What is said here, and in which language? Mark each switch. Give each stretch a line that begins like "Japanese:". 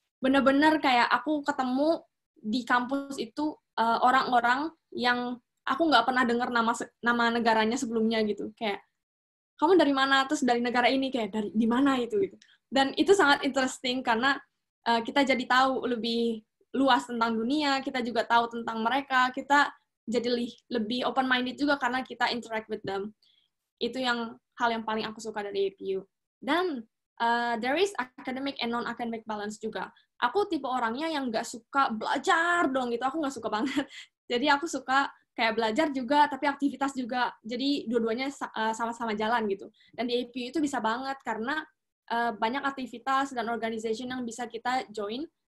Indonesian: Bener-bener kayak aku ketemu di kampus itu orang-orang yang aku nggak pernah dengar nama negaranya sebelumnya gitu, kayak kamu dari mana, terus dari negara ini, kayak dari di mana itu gitu. Dan itu sangat
English: interesting
Indonesian: karena kita jadi tahu lebih luas tentang dunia, kita juga tahu tentang mereka, kita jadi lebih
English: open minded
Indonesian: juga karena kita
English: interact with them.
Indonesian: Itu yang hal yang paling aku suka dari APU. Dan
English: there is academic and non-academic balance
Indonesian: juga. Aku tipe orangnya yang nggak suka belajar dong gitu, aku nggak suka banget. Jadi aku suka kayak belajar juga, tapi aktivitas juga. Jadi dua-duanya sama-sama jalan gitu. Dan di APU itu bisa banget, karena banyak aktivitas dan organization yang bisa kita join.